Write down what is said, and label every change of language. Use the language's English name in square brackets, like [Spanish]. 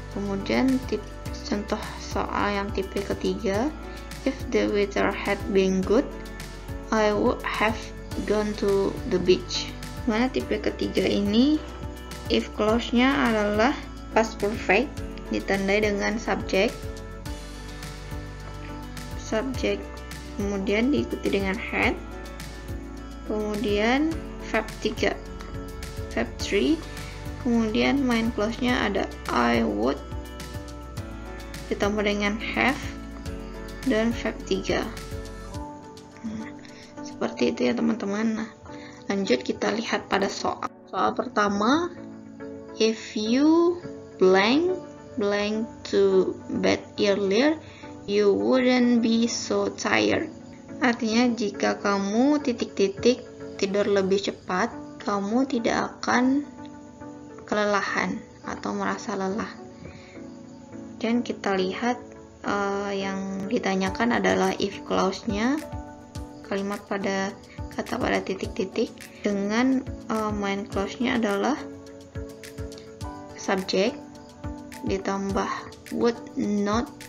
[Indonesian] Kemudian contoh soal yang tipe ketiga, [English] if the weather had been good, I would have gone to the beach. [Indonesian] Mana tipe ketiga ini if clause-nya adalah past perfect ditandai dengan subject, subject kemudian diikuti dengan had, kemudian verb 3, verb 3, kemudian main clause-nya ada I would ditambah dengan have dan verb 3. Seperti itu ya teman-teman. Nah, lanjut kita lihat pada soal. Soal pertama, [English] if you blank to bed earlier, you wouldn't be so tired. [Indonesian] Artinya jika kamu titik-titik tidur lebih cepat, kamu tidak akan kelelahan atau merasa lelah. Dan kita lihat yang ditanyakan adalah if clause-nya, kalimat pada kata pada titik-titik, dengan main clause-nya adalah subject ditambah would not.